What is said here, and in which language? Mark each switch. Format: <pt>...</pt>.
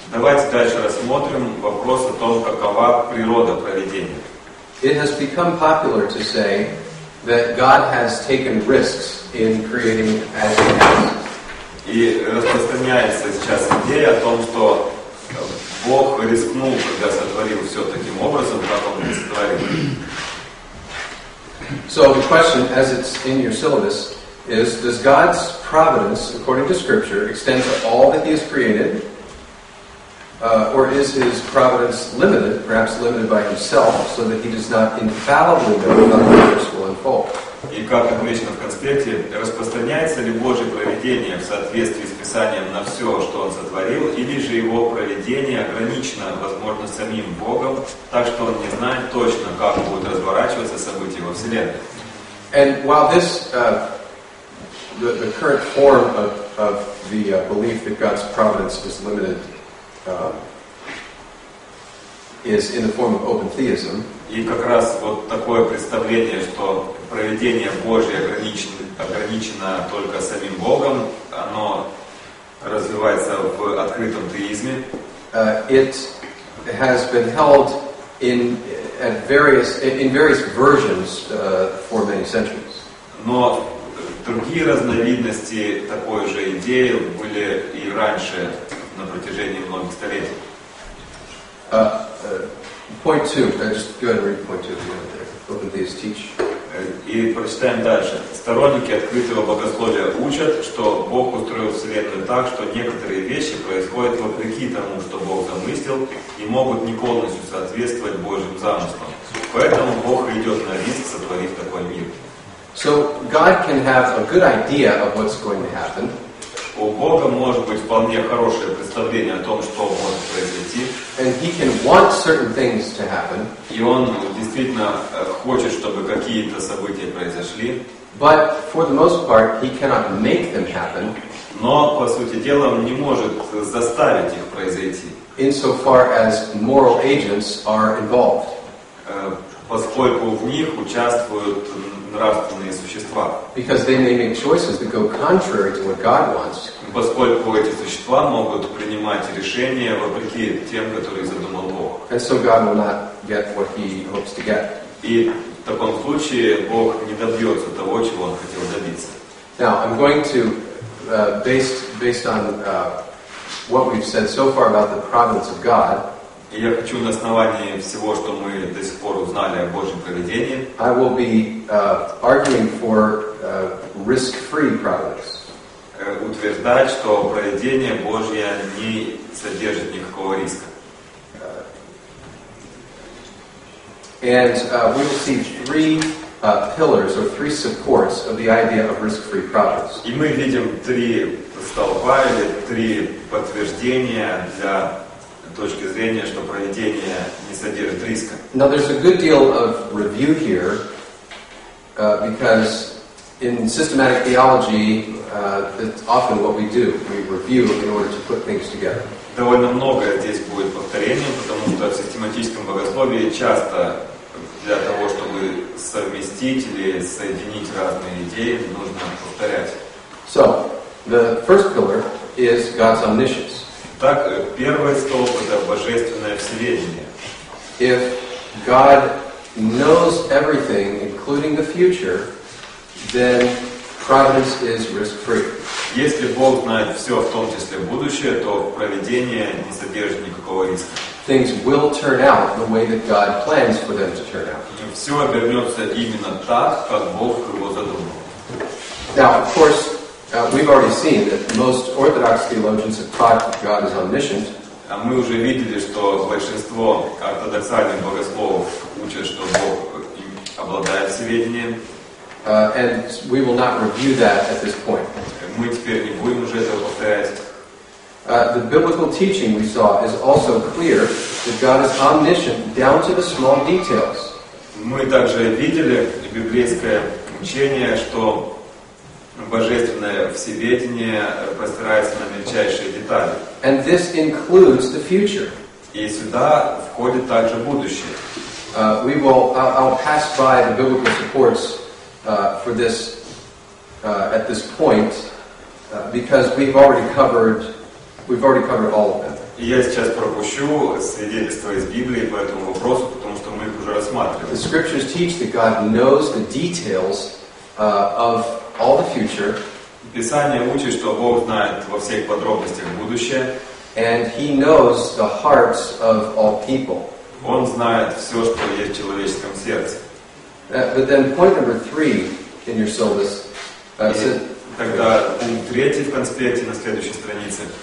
<ru>Давайте дальше рассмотрим вопрос о том, какова природа провидения.</ru> <en>It has become popular to say that God has taken risks in creating as He has.</en> <ru>И распространяется сейчас идея о том, что Бог рискнул, когда сотворил все таким образом, как Он сотворил.</ru> <en>So the question, as it's in your syllabus, is: does God's providence, according to Scripture, extend to all that He has created, or is His providence limited, perhaps limited by Himself, so that He does not infallibly know how the universe will unfold?</en> <ru>И как отмечено в конспекте, распространяется ли Божье провидение в соответствии с Писанием на все, что Он сотворил, или же Его провидение ограничено, возможно, самим Богом, так что Он не знает точно, как будут разворачиваться события во Вселенной.</ru> <en>And while this, the current form of the belief that God's providence is limited, is in the form of open theism.</en> <ru>И как раз вот такое представление, что провидение Божие ограничено только самим Богом, оно развивается в открытом теизме.</ru> <en>It has been held in various versions for many centuries.</en> <ru>Но другие разновидности такой же идеи были и раньше на протяжении многих столетий.</ru> <en>Point two. Just go ahead and read point two. Open theists teach.</en> <ru>И прочитаем дальше. Сторонники открытого богословия учат, что Бог устроил Вселенную так, что некоторые вещи происходят вопреки тому, что Бог замыслил, и могут не полностью соответствовать Божьим замыслам. Поэтому Бог идет на риск, сотворив такой мир.</ru> <en>So God can have a good idea of what's going to happen.</en> <ru>У Бога может быть вполне хорошее представление о том, что может произойти.</ru> <en>And He can want certain things to happen.</en> <ru>И Он действительно хочет, чтобы какие-то события произошли.</ru> <en>But for the most part, He cannot make them happen.</en> <ru>Но, по сути дела, Он не может заставить их произойти.</ru> <en>Insofar as moral agents are involved.</en> <ru>Поскольку в них участвуют нравственные существа.</ru> <en>Because they may make choices that go contrary to what God wants.</en> <ru>Поскольку эти существа могут принимать решения вопреки тем, которые задумал Бог.</ru> <en>And so God will not get what He hopes to get.</en> <ru>И в таком случае Бог не добьется того, чего Он хотел добиться.</ru> <en>Now, I'm going to, based on what we've said so far about the providence of God,</en> <ru>и я хочу на основании всего, что мы до сих пор узнали о Божьем провидении,</ru> <en>I will be arguing for risk-free providence.</en> <ru>Утверждать, что провидение Божье не содержит никакого риска.</ru> <en>And we will see three pillars or three supports of the idea of risk-free providence.</en> <ru>И мы видим три столпа или три подтверждения для точки зрения, что провидение не содержит риска.</ru> <en>Now there's a good deal of review here, because in systematic theology, that's often what we do. We review in order to put things together.</en> <ru>Довольно много здесь будет повторений, потому что в систематическом богословии часто для того, чтобы совместить или соединить разные идеи, нужно повторять.</ru> <en>So the first pillar is God's omniscience.</en> <ru>Так, первый столб — это божественное всеведение.</ru> <en>If God knows everything, including the future, then providence is risk-free.</en> <ru>Если Бог знает все, в том числе будущее, то провидение не содержит никакого риска.</ru> <en>Things will turn out the way that God plans for them to turn out.</en> <ru>Все обернется именно так, как Бог его задумал.</ru> <en>Now, of course, we've already seen that most Orthodox theologians have taught God is omniscient.</en> <ru>А мы уже видели, что большинство ортодоксальных богословов учат, что Бог обладает сведением.</ru> <en>And we will not review that at this point.</en> <ru>Мы теперь не будем уже этого повторять.</ru> <en>The biblical teaching we saw is also clear that God is omniscient down to the small details.</en> <ru>Мы также видели библейское учение, что божественное всеведение простирается на мельчайшие детали.</ru> <en>And this includes the future.</en> <ru>И сюда входит также будущее.</ru> <en>I'll pass by the biblical supports for this at this point because we've already covered all of them.</en> <ru>Я сейчас пропущу свидетельства из Библии по этому вопросу, потому что мы их уже рассматривали.</ru> <en>The scriptures teach that God knows the details of all the future.</en> <ru>Писание учит, что Бог знает во всех подробностях будущее.</ru> <en>And he knows the hearts of all people.</en> <ru>Он знает все, что есть в человеческом сердце.</ru> <en>But then point number three in your syllabus.</en> <ru>Тогда пункт третий в конспекте на следующей странице.</ru>